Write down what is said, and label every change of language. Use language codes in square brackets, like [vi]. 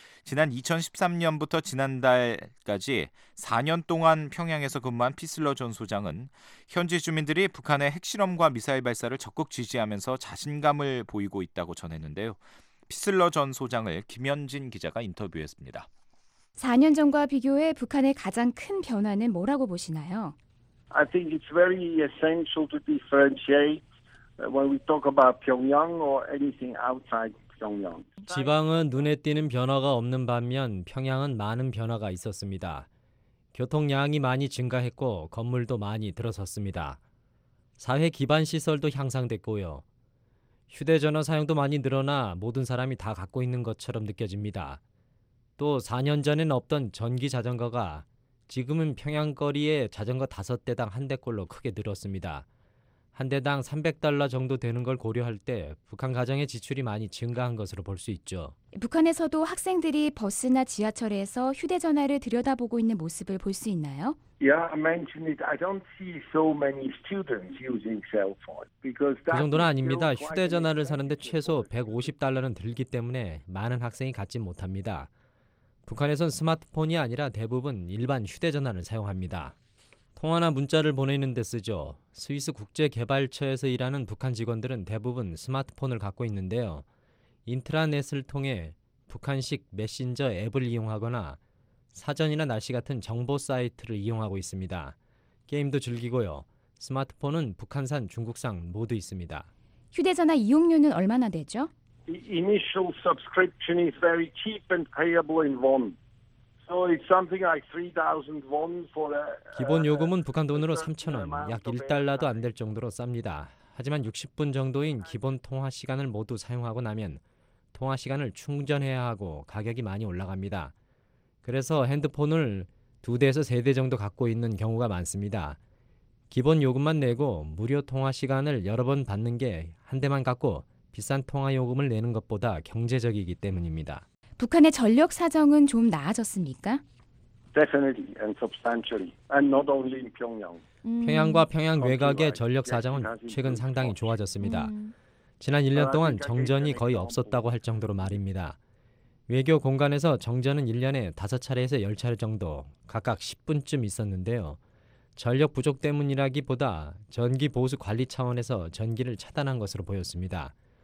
[ko] 지난 2013년부터 지난달까지 4년 동안 평양에서 근무한 피슬러 전 소장은 현지 주민들이 북한의 핵실험과 미사일 발사를 적극 지지하면서 자신감을 보이고 있다고 전했는데요. 피슬러 전 소장을 김현진 기자가 인터뷰했습니다. 4년 전과 비교해 북한의 가장 큰 변화는 뭐라고 보시나요? [en] I think it's very essential to differentiate when we talk about Pyongyang or anything outside Pyongyang. [ko] 지방은 눈에 띄는 변화가 없는 반면 평양은 많은 변화가 있었습니다. 교통량이 많이 증가했고 건물도 많이 들어섰습니다. 사회 기반 시설도 향상됐고요. 휴대전화 사용도 많이 늘어나 모든 사람이 다 갖고 있는 것처럼 느껴집니다. 또 4년 전엔 없던 전기 자전거가 지금은 평양 거리에 자전거 5대당 한 대꼴로 크게 늘었습니다. 한 대당 $300 정도 되는 걸 고려할 때 북한 가정의 지출이 많이 증가한 것으로 볼 수 있죠. 북한에서도 학생들이 버스나 지하철에서 휴대전화를 들여다보고 있는 모습을 볼 수 있나요? [en] Yeah, I mentioned it. I don't see so many students using cell phones because [ko] 그 정도는 아닙니다. 휴대전화를 사는데 최소 $150는 들기 때문에 많은 학생이 갖지 못합니다. 북한에선 스마트폰이 아니라 대부분 일반 휴대전화를 사용합니다. 통화나 문자를 보내는 데 쓰죠. 스위스 국제개발처에서 일하는 북한 직원들은 대부분 스마트폰을 갖고 있는데요. 인트라넷을 통해 북한식 메신저 앱을 이용하거나 사전이나 날씨 같은 정보 사이트를 이용하고 있습니다. 게임도 즐기고요. 스마트폰은 북한산, 중국산 모두 있습니다. 휴대전화 이용료는 얼마나 되죠? [en] The initial subscription is very cheap and payable in won. So it's something like 3,000 won for a [ko] 기본 요금은 북한 돈으로 3,000원, 약 1달러도 안 될 정도로 쌉니다. 하지만 60분 정도인 기본 통화 시간을 모두 사용하고 나면 통화 시간을 충전해야 하고 가격이 많이 올라갑니다. 그래서 핸드폰을 두 대에서 세 대 정도 갖고 있는 경우가 많습니다. 기본 요금만 내고 무료 통화 시간을 여러 번 받는 게 한 대만 갖고 비싼 통화 요금을 내는 것보다 경제적이기 때문입니다. 북한의 전력 사정은 좀 나아졌습니까? [en] Definitely and substantially, and not only in Pyongyang. [ko] 평양과 평양 외곽의 전력 사정은 최근 상당히 좋아졌습니다. 지난 1년 동안 정전이 거의 없었다고 할 정도로 말입니다. 외교 공간에서 정전은 1년에 5차례에서 10차례 정도, 각각 10분쯤 있었는데요. 전력 부족 때문이라기보다 전기 보수 관리 차원에서 전기를 차단한 것으로 보였습니다.